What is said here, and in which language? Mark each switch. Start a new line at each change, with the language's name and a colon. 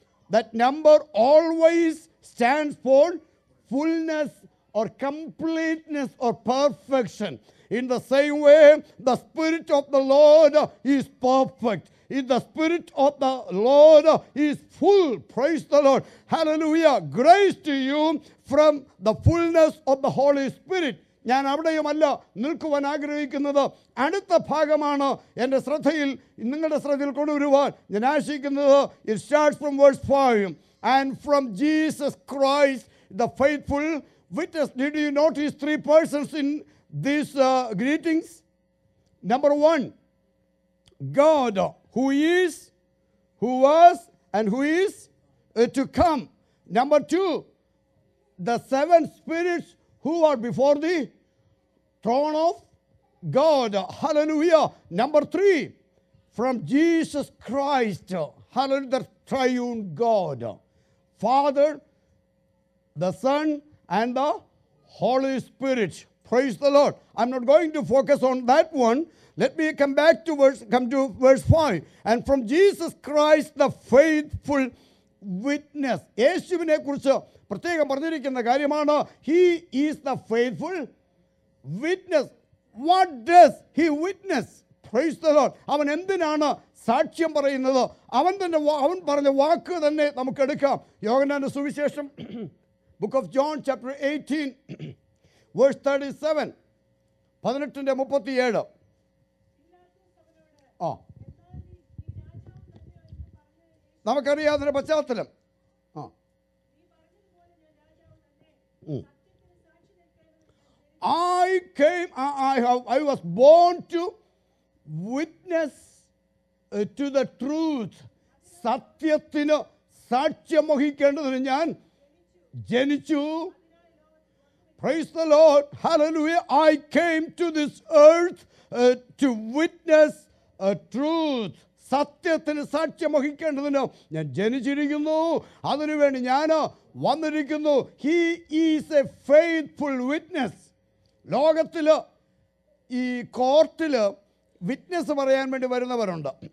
English: That number always stands for fullness or completeness or perfection. In the same way, the Spirit of the Lord is perfect. If the Spirit of the Lord is full, praise the Lord. Hallelujah. Grace to you from the fullness of the Holy Spirit.
Malayalam: ഞാൻ അവിടെയുമല്ല നിൽക്കുവാൻ ആഗ്രഹിക്കുന്നത്. അടുത്ത ഭാഗമാണ് എൻ്റെ ശ്രദ്ധയിൽ, നിങ്ങളുടെ ശ്രദ്ധയിൽ കൊണ്ടുവരുവാൻ ഞാൻ ആശിക്കുന്നത്.
English: It start from verse 5. And from Jesus Christ the faithful witness. Did you notice 3 persons in these greetings? Number 1, God, who is, who was, and who is to come. Number 2, the seven spirits who are before the throne of God. Hallelujah. Number 3, from Jesus Christ. Hallelujah. The triune God, Father, the Son, and the Holy Spirit. Praise the Lord. I'm not going to focus on that one. Let me come back to verse 5. And from Jesus Christ, the faithful witness.
Malayalam: യേശുവിനെ കുറിച്ച് പ്രത്യേകം പറഞ്ഞിരിക്കുന്ന കാര്യമാണ്,
English: He is the faithful witness. What does he witness? Praise the lord.
Malayalam: അവൻ എന്തിനാണ് സാക്ഷ്യം പറയുന്നത്? അവൻ തന്നെ, അവൻ പറഞ്ഞ വാക്ക് തന്നെ നമുക്ക് എടുക്കാം. യോഹന്നാന്റെ സുവിശേഷം,
English: book of John chapter 18 verse 37,
Malayalam: 18:37. ആ നമുക്കറിയാം അതിൻ്റെ പശ്ചാത്തലം.
English: I was born to witness to the truth.
Malayalam: സത്യത്തിനു സാക്ഷ്യം വഹിക്കേണ്ടതിന് ഞാൻ ജനിച്ചു.
English: Praise the lord. Hallelujah. I came to this earth to witness a truth.
Malayalam: സത്യത്തിന് സാക്ഷ്യം വഹിക്കേണ്ടതിന് ഞാൻ ജനിച്ചിരിക്കുന്നു. അതിനുവേണ്ടി ഞാൻ വന്നിരിക്കുന്നു.
English: He is a faithful witness.
Malayalam: ലോകത്തിൽ ഈ കോർട്ടിൽ വിറ്റ്നസ് പറയാൻ വേണ്ടി വരുന്നവരുണ്ട്.